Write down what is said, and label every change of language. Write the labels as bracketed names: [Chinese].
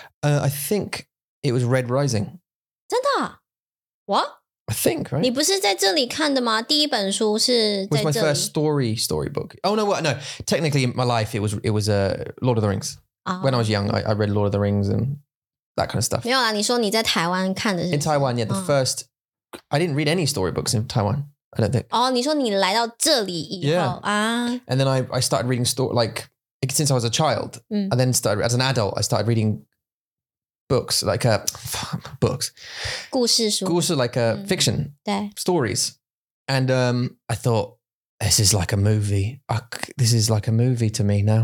[English] I think it was Red Rising. [Chinese] 真的? [English] What? I think, right? [Chinese] 你不是在这里看的吗?第一本书是在这里。 [English] Which was my first storybook. Oh, no, what? No. Technically, in my life, it was Lord of the Rings. Oh. When I was young, I read Lord of the Rings and that kind of stuff. [Chinese] 没有啦,你说你在台湾看的是不是? [English] In Taiwan, yeah, the first... I didn't read any storybooks in Taiwan. I don't think. [Chinese] Oh, 你说你来到这里以后, [English] And then I started reading since I was a child. Mm. And then started, as an adult, I started reading books, books. [Chinese] 故事书, [English] fiction. Stories. And I thought, this is like a movie. This is like a movie to me now.